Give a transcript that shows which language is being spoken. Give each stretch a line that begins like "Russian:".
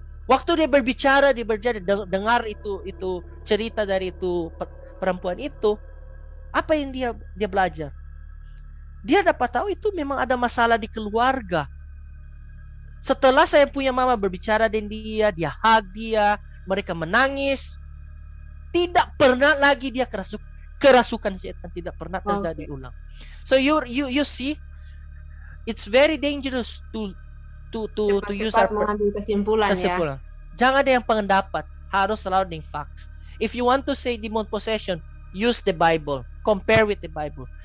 Indonesian: Waktu dia berbicara, dia berjadi dengar itu cerita dari itu perempuan itu, apa yang dia belajar? Dia dapat tahu itu memang ada masalah di keluarga. Setelah saya punya mama berbicara dengan dia, dia hug dia, mereka menangis. Tidak pernah lagi dia kerasukan setan, tidak pernah terjadi ulang.
English: So you see, it's very dangerous to use
Indonesian: our mengambil kesimpulan. Ya. Jangan ada yang pendapat, harus selalu dengan facts.
English: If you want to say demon possession, use the Bible, compare with the Bible.